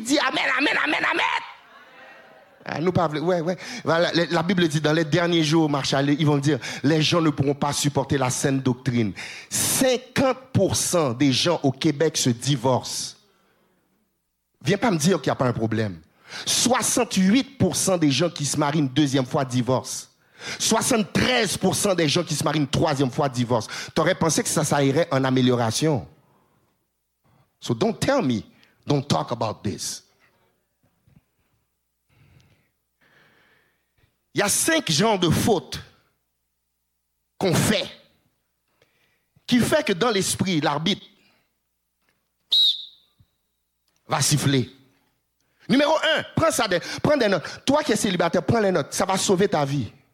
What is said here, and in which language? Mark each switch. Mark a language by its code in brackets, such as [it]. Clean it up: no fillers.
[fr] Dis « Amen, Amen, Amen, Amen !» Nous parlons, la Bible dit dans les derniers jours, Marshall, ils vont dire « Les gens ne pourront pas supporter la saine doctrine. » 50% des gens au Québec se divorcent. Viens pas me dire qu'il n'y a pas un problème. 68% des gens qui se marient une deuxième fois divorcent. 73% des gens qui se marient une troisième fois divorcent. T'aurais pensé que ça irait en amélioration. [en] So don't tell me, don't talk about this. [fr] Il y a 5 genres de fautes qu'on fait qui fait que dans l'esprit, l'arbitre va siffler. Numéro 1, prends des notes. Toi qui es célibataire, prends les notes. Ça va sauver ta vie.